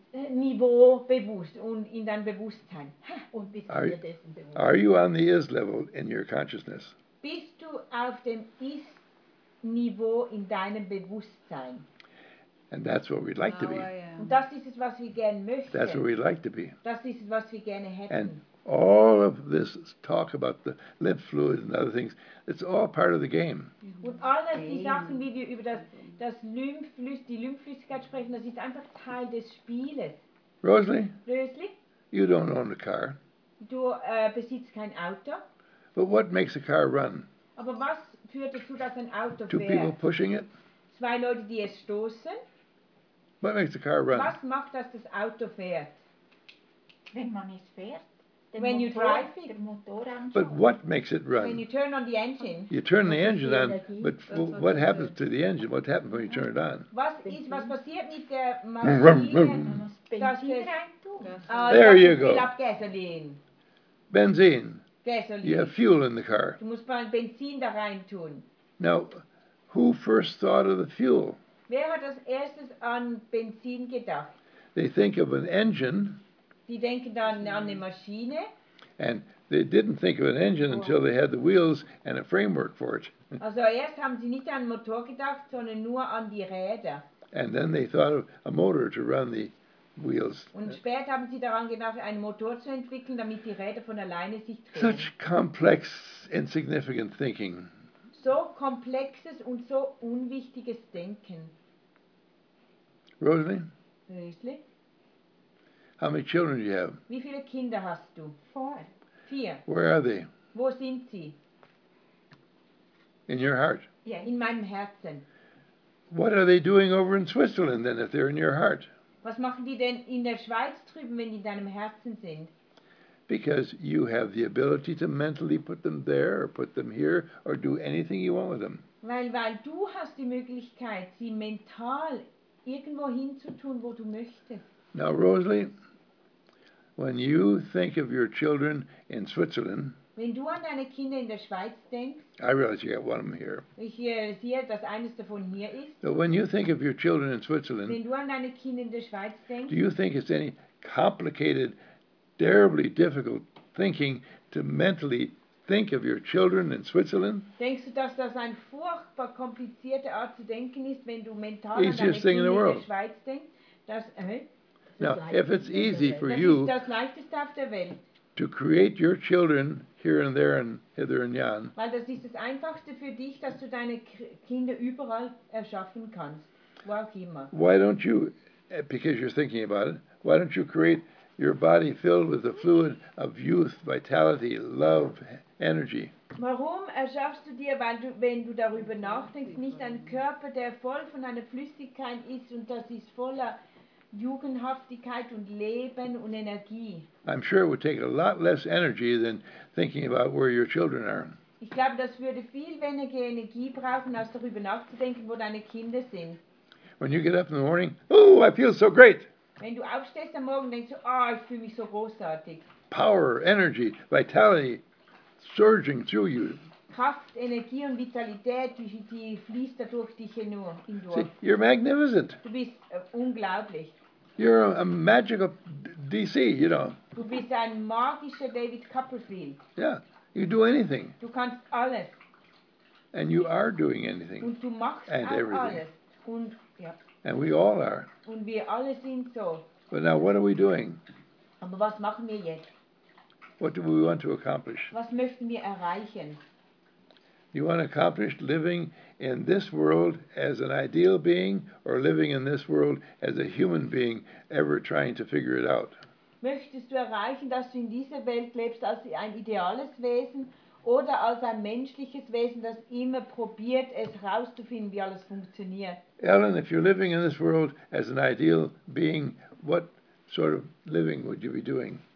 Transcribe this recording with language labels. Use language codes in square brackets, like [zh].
[de] Niveau bewusst und in deinem Bewusstsein. Und bist du dir dessen bewusst? [en] Are you on the is level in your consciousness? [de] Bist du auf dem Ist-Niveau in deinem Bewusstsein? [en] And that's what we'd like now to be. [de] Und das ist es, was wir gerne möchten. [en] That's what we'd like to be. [de] Das ist es, was wir gerne hätten. [en] And all of this talk about the lymph fluid and other things, it's all part of the game. [de] Und all das, die Sachen, wie wir über das die Lymphflüssigkeit sprechen, das ist einfach Teil des Spieles. [en] Rosalie? You don't own a car. [de] Du besitzt kein Auto. [en] But what makes a car run? [de] Aber was führt dazu, dass ein Auto fährt? [en] Two people pushing it? [de] Zwei Leute, die es stoßen. [en] What makes a car run? [de] Was macht, dass das Auto fährt? Wenn man es fährt. [en] When motor, you drive it, but what makes it run? When you turn on the engine. You turn the engine on, but what happens to the engine? What happens when you turn it on? [de] Was passiert mit der Maschine? [en] There you go. Gasoline. [de] Benzin. [en] Gasoline. You have fuel in the car. [de] Du musst mal Benzin da rein tun. [en] Now, who first thought of the fuel? [de] Wer hat als erstes an Benzin gedacht? [en] They think of an engine. [de] Die denken dann an eine Maschine. [en] And they didn't think of an engine until they had the wheels and a framework for it. [de] Also erst haben sie nicht an den Motor gedacht, sondern nur an die Räder. [en] And then they thought of a motor to run the wheels. [de] Und später haben sie daran gedacht, einen Motor zu entwickeln, damit die Räder von alleine sich drehen. [en] Such complex, insignificant thinking. [de] So komplexes und so unwichtiges Denken. [en] Rosalie? Rosalie? How many children do you have? [de] Wie viele Kinder hast du? [en] Four. Where are they? [de] Wo sind sie? [en] In your heart? Yeah, [de] in meinem Herzen. [en] What are they doing over in Switzerland then, if they're in your heart? [de] Was machen die denn in der Schweiz drüben, wenn die in deinem Herzen sind? [en] Because you have the ability to mentally put them there or put them here or do anything you want with them. [de] Weil du hast die Möglichkeit, sie mental irgendwo hinzutun, wo du möchtest. [en] Now, Rosalie, when you think of your children in Switzerland, [de] wenn du an deine Kinder in der Schweiz denkst, [en] I realize you got one of them here. [de] Ich sehe, dass eines davon hier ist. [en] But when you think of your children in Switzerland, [de] wenn du an deine Kinder in der Schweiz denkst, [en] do you think it's any complicated, terribly difficult thinking to mentally think of your children in Switzerland? [de] Denkst du, dass das eine furchtbar komplizierte Art zu denken ist, wenn du mental an deine Kinder in der Schweiz denkst? Das, [en] Now, if it's easy for you [de] das leichteste auf der Welt, [en] to create your children here and there and hither and yon, [de] weil das ist das einfachste für dich, dass du deine Kinder überall erschaffen kannst, wo auch immer. [en] Why don't you, because you're thinking about it, why don't you create your body filled with the fluid of youth, vitality, love, energy? [de] Warum erschaffst du dir, weil du, wenn du darüber nachdenkst, nicht einen Körper, der voll von einer Flüssigkeit ist und das ist voller Jugendhaftigkeit und Leben und Energie. [en] I'm sure it would take a lot less energy than thinking about where your children are. [de] Ich glaube, das würde viel weniger Energie brauchen, als darüber nachzudenken, wo deine Kinder sind. [en] When you get up in the morning, oh, I feel so great. [de] Wenn du aufstehst am Morgen, denkst du, oh, ich fühle mich so großartig. [en] Power, energy, vitality, surging through you. [de] Kraft, Energie und Vitalität, die fließt dadurch dich nur hindurch. [en] See, you're magnificent. [de] Du bist unglaublich. [en] You're a magical DC, you know. [de] Du bist ein magischer David Copperfield. [en] Yeah, you do anything. [de] Du kannst alles. [en] And you are doing anything. [de] Und du machst [en] and [de] auch [en] everything. [de] Alles. Und, ja. [en] And we all are. [de] Und wir alle sind so. [en] But now what are we doing? [de] Aber was machen wir jetzt? [en] What do we want to accomplish? [de] Was möchten wir erreichen? [en] You want to accomplish living in this world as an ideal being or living in this world as a human being ever trying to figure it out? [de] Möchtest du erreichen, dass du in dieser Welt lebst als ein ideales Wesen oder als ein menschliches Wesen, das immer probiert, es herauszufinden, wie alles funktioniert? [en] Ellen, if you're living in this world as an ideal being, what sort of living would you be doing?